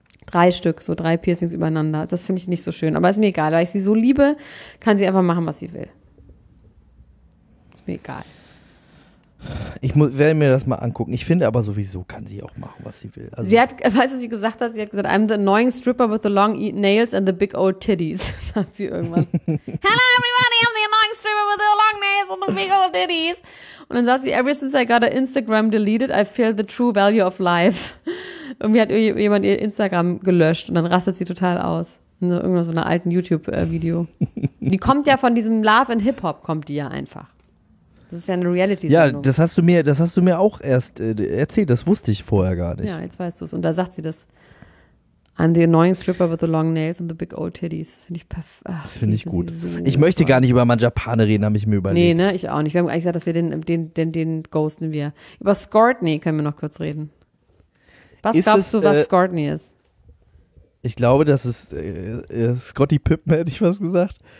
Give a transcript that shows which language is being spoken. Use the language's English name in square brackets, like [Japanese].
[German] Drei Stück, so drei Piercings übereinander. Das finde ich nicht so schön, aber ist mir egal, weil ich sie so liebe, kann sie einfach machen, was sie will. Ist mir egal. Ich werde mir das mal angucken. Ich finde aber sowieso, kann sie auch machen, was sie will. Also sie hat, weißt du, sie gesagt hat? Sie hat gesagt, I'm the annoying stripper with the long nails and the big old titties, sagt sie irgendwann. [English] Hello everybody, I'm the annoying stripper with the long nails and the big old titties. [German] Und dann sagt sie, ever since I got an Instagram deleted, I feel the true value of life. Irgendwie hat jemand ihr Instagram gelöscht und dann rastet sie total aus. Irgendwann so einer alten YouTube-Video. Die kommt ja von diesem Love and Hip-Hop, kommt die ja einfach. Das ist ja eine Reality-Sendung. Ja, das hast du mir auch erst erzählt. Das wusste ich vorher gar nicht. Ja, jetzt weißt du es. Und da sagt sie das. [English] I'm the annoying stripper with the long nails and the big old titties. [German] Finde ich perfekt. Das finde ich gut. Ich möchte gar nicht über Manjapane reden, habe ich mir überlegt. Nee, ne? Ich auch nicht. Wir haben eigentlich gesagt, dass wir den ghosten wir. Über Scortney können wir noch kurz reden. Was glaubst du, was Scortney ist? Ich glaube, das ist Scottie Pippen, hätte ich was gesagt.